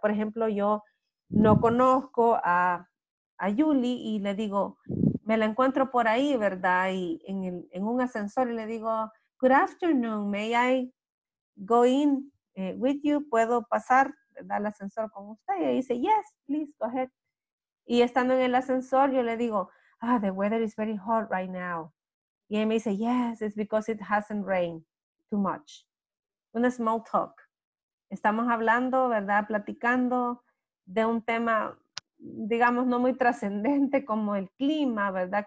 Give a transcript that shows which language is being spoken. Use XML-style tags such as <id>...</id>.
<es>Por ejemplo, yo no conozco a Yuli y le digo, me la encuentro por ahí, ¿verdad? Y en un ascensor y le digo,</es> <en>good afternoon, may I go in with you?</en> <es>¿Puedo pasar, verdad, al ascensor con usted? Y dice,</es> <en>yes, please, go ahead.</en> <es>Y estando en el ascensor, yo le digo, ah,</es> <en>the weather is very hot right now.</en> <es>Y él me dice,</es> <en>yes, it's because it hasn't rained too much.</en> <es>Un small talk. Estamos hablando, ¿verdad?, platicando de un tema digamos, no muy trascendente como el clima, ¿verdad?</es>